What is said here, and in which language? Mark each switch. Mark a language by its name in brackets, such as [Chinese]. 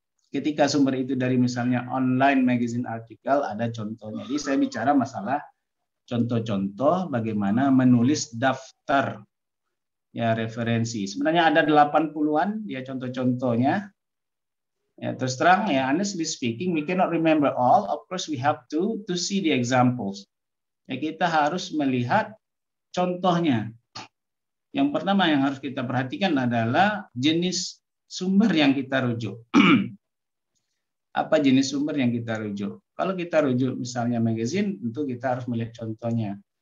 [Indonesian] Ketika sumber itu dari misalnya online magazine article, ada contohnya. Jadi saya bicara masalah contoh-contoh bagaimana menulis daftar ya referensi. Sebenarnya ada 80-an ya contoh-contohnya. Ya, terus terang ya, [English] honestly speaking, we cannot remember all. Of course we have to see the examples. [Indonesian] Ya, kita harus melihat contohnya. Yang pertama yang harus kita perhatikan adalah jenis sumber yang kita rujuk. Apa jenis sumber yang kita rujuk? Kalau kita rujuk misalnya magazine, tentu kita harus melihat contohnya.